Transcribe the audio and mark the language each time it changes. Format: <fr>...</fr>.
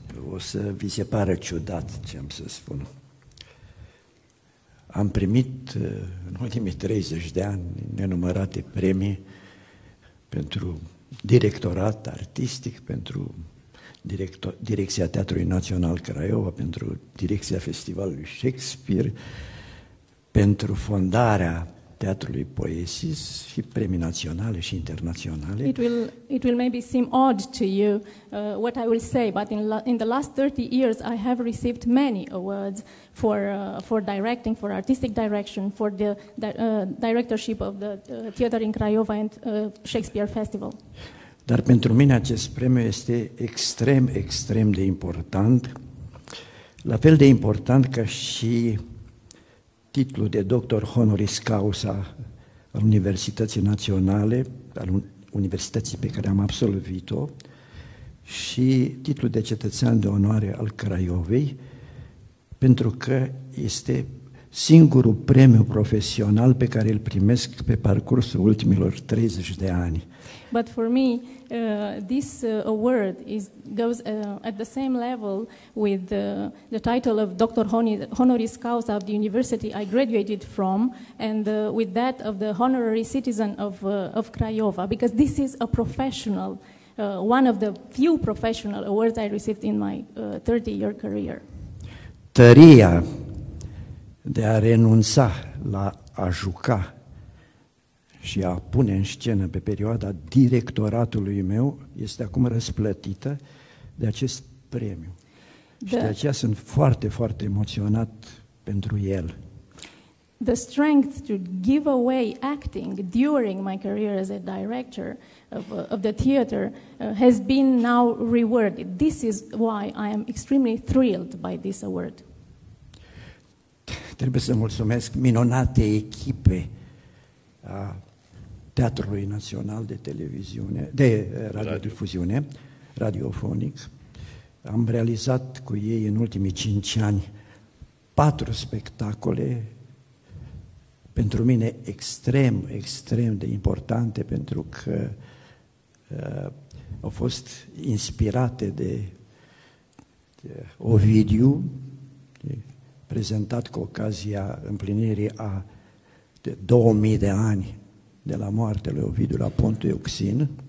<ro>O să vi se pare ciudat ce am să spun. Am primit în ultimii 30 de ani nenumărate premii pentru directorat artistic, pentru Direcția Teatrului Național Craiova, pentru Direcția Festivalului Shakespeare, pentru fondarea Teatrului Poesis și premii naționale și internaționale.</ro> <en>It will maybe seem odd to you what I will say, but in the last 30 years I have received many awards for directing, for artistic direction, for the directorship of the theater in Craiova and Shakespeare Festival.</en> <ro>Dar pentru mine acest premiu este extrem, extrem de important, la fel de important ca și titlul de doctor honoris causa al Universității Naționale, al universității pe care am absolvit-o, și titlul de cetățean de onoare al Craiovei, pentru că este singurul premiu profesional pe care îl primesc pe parcursul ultimilor 30 de ani.</ro> <en>But for me, this award goes at the same level with the title of Doctor Honoris Causa of the university I graduated from, and with that of the honorary citizen of Craiova, because this is a professional, one of the few professional awards I received in my 30-year career.</en> <ro>Tăria de a renunța la a juca și a pune în scenă pe perioada directoratului meu este acum răsplătită de acest premiu. Și de aceea sunt foarte, foarte emoționat pentru el.</ro> <en>The strength to give away acting during my career as a director of the theater has been now rewarded. This is why I am extremely thrilled by this award.</en> <ro>Trebuie să mulțumesc minunate echipe a Teatrului Național de Televiziune, de radiodifuziune, radiofonic. Am realizat cu ei în ultimii 5 ani 4 spectacole, pentru mine extrem, extrem de importante, pentru că au fost inspirate de Ovidiu, prezentat cu ocazia împlinirii de 2000 de ani de la moartea lui Ovidiu la Pontul Euxin,</ro>